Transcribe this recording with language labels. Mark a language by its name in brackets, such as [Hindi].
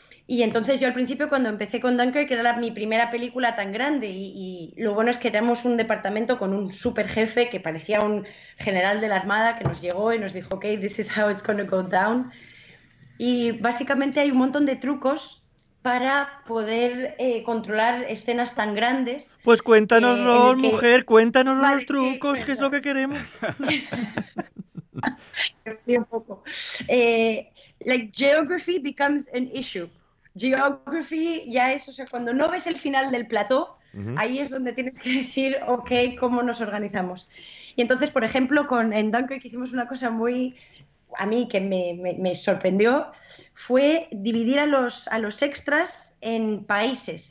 [Spanish] Y entonces yo al principio, cuando empecé con Dunkirk, que era mi primera película tan grande, y lo bueno es que éramos un departamento con un super jefe que parecía un general de la Armada, que nos llegó y nos dijo, [English] ok, this is how it's gonna go down. [Spanish] Y básicamente hay un montón de trucos para poder controlar escenas tan grandes. Pues cuéntanoslo, mujer, cuéntanoslo, vale, los trucos, sí, que es lo que queremos. Un poco. [English] Like, geography becomes an issue. [Spanish] Geography ya es, o sea, cuando no ves el final del plató, uh-huh, ahí es donde tienes que decir, ok, ¿cómo nos organizamos? Y entonces, por ejemplo, en Dunkirk hicimos una cosa muy, a mí, que me sorprendió, fue dividir a los extras en países.